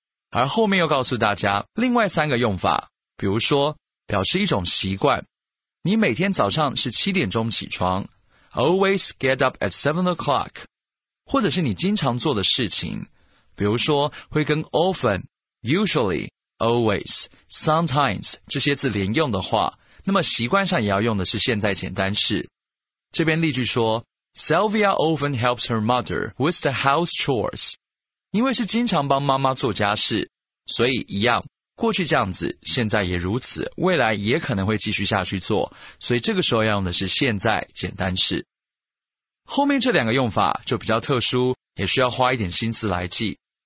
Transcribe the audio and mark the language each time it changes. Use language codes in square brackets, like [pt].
[zh] 而后面又告诉大家另外3个用法，比如说表示一种习惯，你每天早上是7点钟起床， [en] Always get up at 7 o'clock， [zh] 或者是你经常做的事情，比如说会跟 often、 usually、 always、 sometimes 这些字连用的话，那么习惯上也要用的是现在简单式。这边例句说， [en] Sylvia often helps her mother with the house chores。 [zh] 因为是经常帮妈妈做家事，所以一样，过去这样子，现在也如此，未来也可能会继续下去做，所以这个时候要用的是现在简单式。后面这2个用法就比较特殊，也需要花一点心思来记。